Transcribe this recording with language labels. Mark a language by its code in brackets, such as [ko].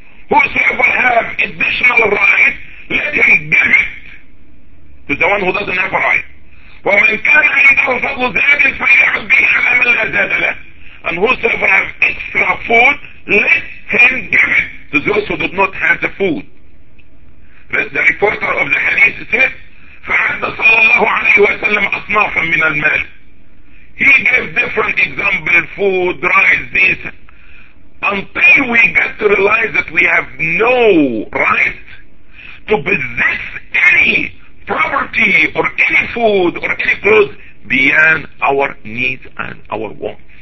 [en] Whosoever have additional right, let him give it to the one who doesn't have a right. [ar] وَمَنْ كَانَ عِنْدَهُ فَضْلُ زَادٍ فَلْيَعُدْ بِهِ عَلَى مَنْ لَا زَادَ لَهُ. [en] and whosoever have extra food, let him give it to those who do not have the food. But the reporter of the hadith said, [ar] فَعَدَّ صَلَى اللَّهُ عَلَيْهِ وَسَلَّمْ أَصْنَافًا مِنَ الْمَالِ. [en] He gave different examples, food, rice, this. Until we get to realize that we have no right to possess any property or any food or any clothes beyond our needs and our wants.